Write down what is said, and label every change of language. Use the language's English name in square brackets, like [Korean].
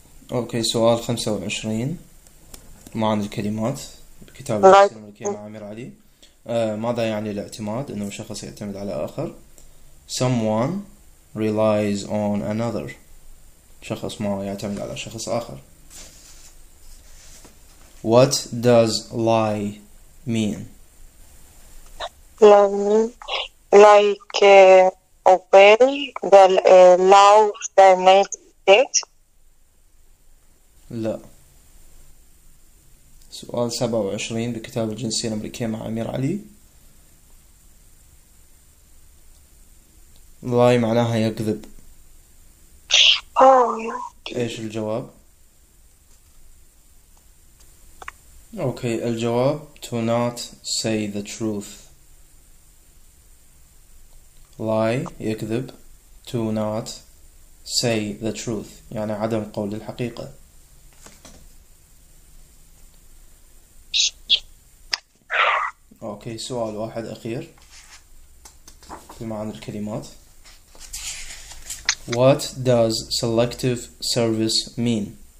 [Arabic] Okay, سؤال 25 مع الكلمات بكتاب الأمريكية مع أمير علي. ماذا يعني الاعتماد؟ إنه شخص يعتمد على آخر. [English] Someone relies on another. [Arabic] شخص ما يعتمد على شخص آخر. [English] What does lie mean? Like obey the law of the United States? [Arabic] لا. سؤال 27 بكتاب الجنسية الأمريكية مع أمير علي. lie معناها يكذب. [English] Oh, okay. [Arabic] إيش الجواب؟ [English] Okay, الجواب to not say the truth. Lie, يكذب. To not say the truth, [Arabic] يعني عدم قول الحقيقة. Okay, سؤال واحد أخير في معنى الكلمات. [English] What does selective service mean?